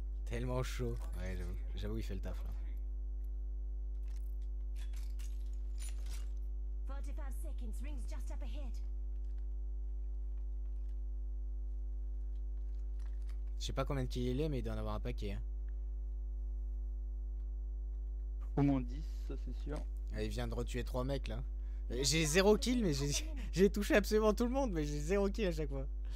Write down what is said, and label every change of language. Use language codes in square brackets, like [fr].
[fr] Tellement chaud. Ouais, j'avoue, il fait le taf là. [en] 45 seconds, rings just up ahead. [fr] Je sais pas combien de kills il est, mais il doit en avoir un paquet. Hein. Au moins 10, ça c'est sûr. Ah, il vient de retuer 3 mecs là. J'ai 0 kill, mais j'ai touché absolument tout le monde, mais j'ai 0 kill à chaque fois.